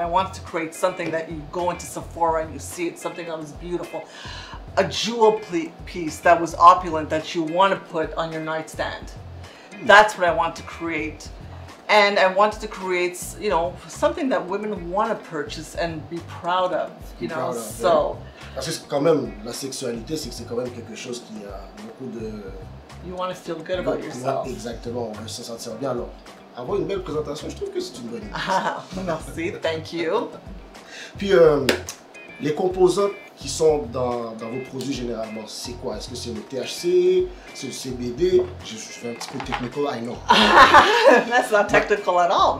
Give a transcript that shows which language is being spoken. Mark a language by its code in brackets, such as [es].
[en] I want to create something that you go into Sephora and you see it, something that was beautiful. A jewel piece that was opulent that you want to put on your nightstand. That's what I want to create. And I wanted to create, you know, something that women want to purchase and be proud of, you know, so. [fr] Parce que quand même, la sexualité, c'est que c'est quand même quelque chose qui a beaucoup de... [en] You want to feel good about yourself. [fr] Exactement, on veut se sentir bien. Alors, avoir une belle présentation, je trouve que c'est une bonne idée. Merci, [en] thank you. [fr] Puis, les composants qui sont dans vos produits généralement, c'est quoi? Est-ce que c'est le THC, c'est le CBD? Je fais un petit peu [en] technical, I know. That's not technical at all.